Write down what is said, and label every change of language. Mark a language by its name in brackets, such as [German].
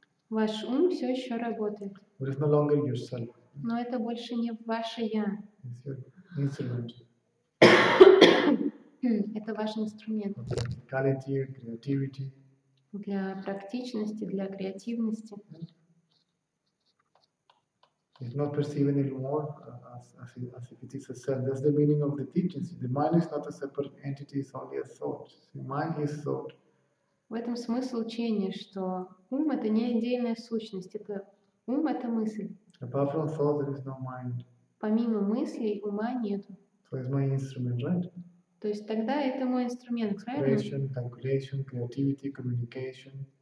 [Russian] Ваш ум все еще работает. [English] But it's no longer yourself. [Russian] Но это больше не ваше я. [English] It's your instrument. [Russian] Это ваш инструмент. [English] Practicality, creativity. [Russian] Для практичности, для креативности. [English] It's not perceiving anymore as if it is a self. That's the meaning of the teachings. The mind is not a separate entity, it's only a thought. The mind is thought. [Russian] В этом смысл учения, что ум — это не отдельная сущность, это ум — это мысль. [English] Apart from thought, there is no mind. [Russian] Помимо мыслей, ума нету. [English] So it's my instrument, right? [Russian] То есть тогда это мой инструмент, правильно? [English] Creation, calculation, creativity, communication.